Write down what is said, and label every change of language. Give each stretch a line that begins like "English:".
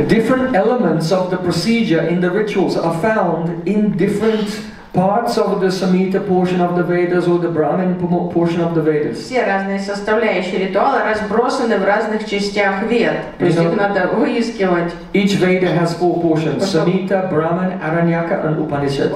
English: Different elements of the procedure in the rituals are found in different parts of the Samhita portion of the Vedas or the Brahmin portion of the Vedas.
Russian: Все разные составляющие ритуала разбросаны в разных частях Вед. То есть их надо выискивать.
English: Each Veda has four portions: Samhita, Brahman, Aranyaka, and Upanishad.